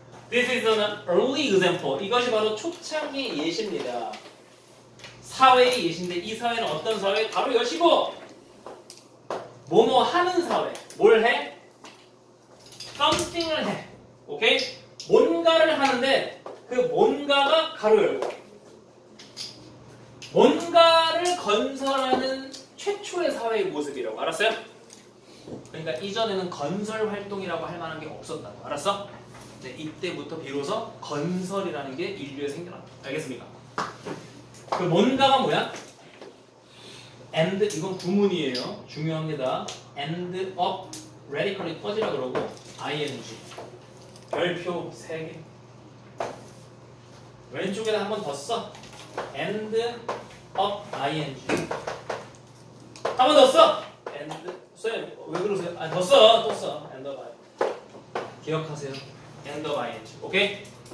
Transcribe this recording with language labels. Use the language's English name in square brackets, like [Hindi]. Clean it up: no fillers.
[English] This is an early example. [Korean] 이것이 바로 초창기 예시입니다. 사회의 예시인데 이 사회는 어떤 사회? 바로 여시고 뭐뭐 하는 사회. 뭘 해? Something을 해. 오케이? 뭔가를 하는데 그 뭔가가 가로 열고 뭔가를 건설하는 최초의 사회의 모습이라고. 알았어요? 그러니까 이전에는 건설 활동이라고 할 만한 게 없었다고. 알았어? 이제 이때부터 비로소 건설이라는 게 인류에 생겨났다. 알겠습니까? 그 뭔가가 뭐야? And 이건 구문이에요. 중요한 게 다 [English] end up radically [Korean] 꺼지라 그러고 ing 별표 세 개 왼쪽에다 한 번 더 써. end up ing 한 번 더 써. [English] end [Korean] 선생님 왜 그러세요? 아니 더 써 또 써. end up ing 기억하세요. end up ing 오케이?